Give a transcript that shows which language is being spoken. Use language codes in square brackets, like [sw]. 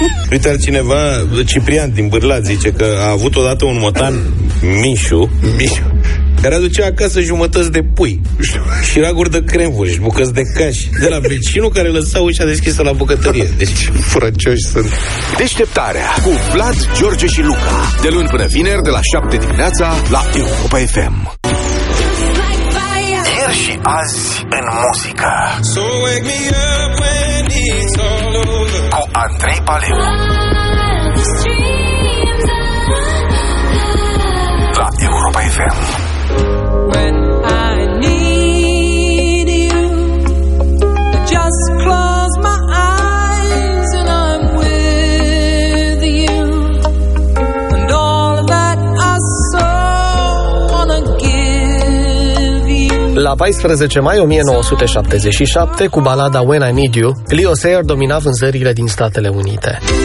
[ro] Uite, altcineva, Ciprian din Bârlad, zice că a avut odată un motan, Mișu, care aducea acasă jumătăți de pui și raguri de cremvuri și bucăți de caș de la vecinul care lăsa ușa deschisă la bucătărie. Deci, furăcioși sunt. Deșteptarea cu Vlad, George și Luca. De luni până vineri, de la 7 dimineața, la Europa FM. Ieri și azi în muzică. [en] So wake me up when it's all over. [ro] Cu Andrei Paleu. [en] La Europa FM. When I need you, just close my eyes and I'm with you. And all that I so wanna give you. [ro] La 14 mai 1977, cu balada When I Need You, Leo Sayer domina vânzările din Statele Unite.